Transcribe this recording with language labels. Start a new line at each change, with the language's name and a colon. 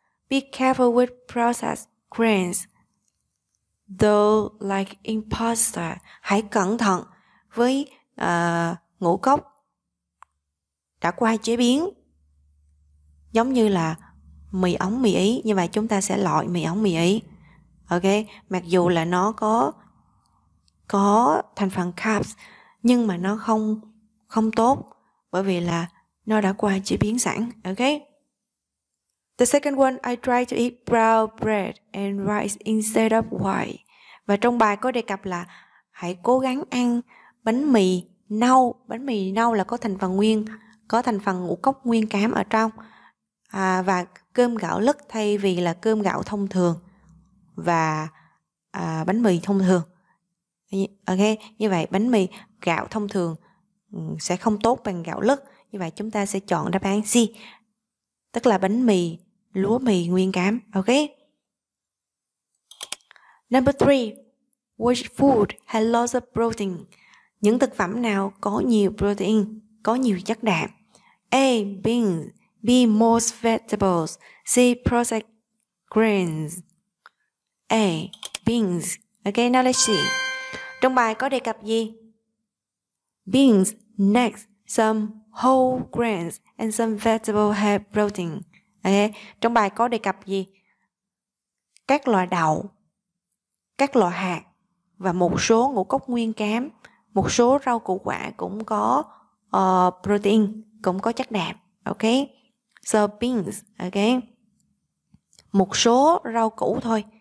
English: Be careful with processed grains. Though like pasta,
Vietnamese: hãy cẩn thận với ngũ cốc đã qua chế biến, giống như là mì ống mì Ý. Như vậy chúng ta sẽ loại mì ống mì Ý. Ok, mặc dù là nó có thành phần carbs nhưng mà nó không tốt bởi vì là nó đã qua chế biến sẵn.
English: Ok. The second one, I try to eat brown bread and rice instead of white.
Vietnamese: Và trong bài có đề cập là hãy cố gắng ăn bánh mì nâu. Bánh mì nâu là có thành phần ngũ cốc nguyên cám ở trong. Và cơm gạo lứt thay vì là cơm gạo thông thường và bánh mì thông thường. Ok, như vậy bánh mì gạo thông thường sẽ không tốt bằng gạo lứt. Như vậy chúng ta sẽ chọn đáp án C, tức là bánh mì, lúa mì nguyên cám. Ok.
English: Number 3, which food has lots of protein?
Vietnamese: Những thực phẩm nào có nhiều protein, có nhiều chất đạm?
English: A, beans. B, most vegetables. C, processed grains. A, beans. Ok, now let's see.
Vietnamese: Trong bài có đề cập gì?
English: Beans, next, some whole grains and some vegetables have protein.
Vietnamese: Ok, trong bài có đề cập gì? Các loại đậu, các loại hạt và một số ngũ cốc nguyên cám, một số rau củ quả cũng có protein, cũng có chất đạm.
English: Ok, so beans.
Vietnamese: Ok, một số rau củ thôi.